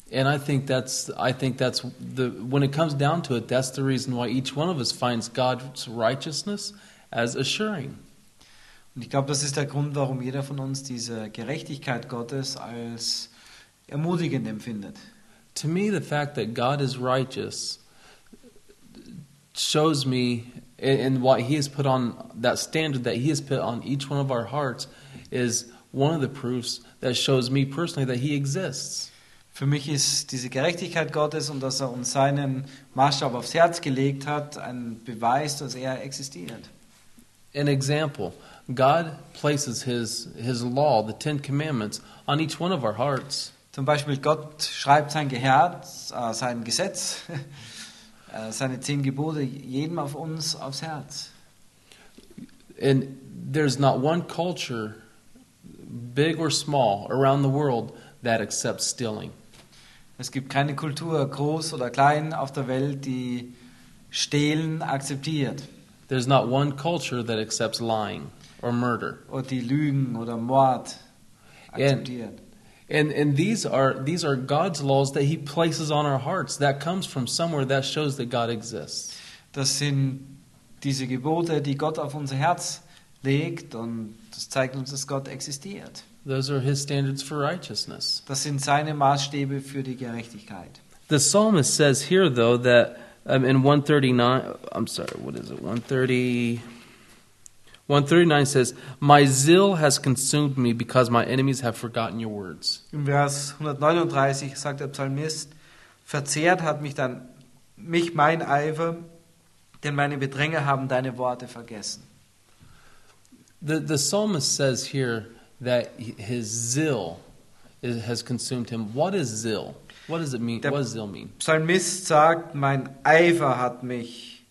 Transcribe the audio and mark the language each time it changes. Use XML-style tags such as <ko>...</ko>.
<en>And I think that's the, when it comes down to it, that's the reason why each one of us finds God's righteousness as assuring.</en> <de>Und ich glaube, das ist der Grund, warum jeder von uns diese Gerechtigkeit Gottes als ermutigend empfindet.</de> <en>To me, the fact that God is righteous shows me, and why he has put on that standard that he has put on each one of our hearts is one of the proofs that shows me personally that he exists.</en> <de>Für mich ist diese Gerechtigkeit Gottes und dass uns seinen Maßstab aufs Herz gelegt hat, ein Beweis, dass existiert.</de> <en>An example. God places his law, the Ten Commandments, on each one of our hearts.</en> <de>Zum Beispiel, Gott schreibt sein Herz, sein Gesetz, seine zehn Gebote jedem auf uns aufs Herz.</de> <en>And there's not one culture, big or small, around the world that accepts stealing.</en> <de>Es gibt keine Kultur, groß oder klein, auf der Welt, die Stehlen akzeptiert.</de> <en>There's not one culture that accepts lying or murder.</en> <de>Oder die Lügen oder Mord akzeptiert.</de> <en>And these are God's laws that he places on our hearts. That comes from somewhere that shows that God exists.</en> <de>Das sind diese Gebote, die Gott auf unser Herz legt, und das zeigt uns, dass Gott existiert.</de> <en>Those are his standards for righteousness.</en> <de>Das sind seine Maßstäbe für die Gerechtigkeit.</de> <en>The psalmist says here, though, that in 139, I'm sorry, what is it, 139 says, "My zeal has consumed me because my enemies have forgotten your words."</en> <de>In Vers 139 sagt der Psalmist: "Verzehrt hat mich mein Eifer, denn meine Bedränger haben deine Worte vergessen."</de> <en>The psalmist says here that his zeal has consumed him. What is zeal? What does it mean?</en> <de>Der</de> <en>What does zeal mean?</en> <de>Psalmist sagt: "Mein Eifer hat mich."</de>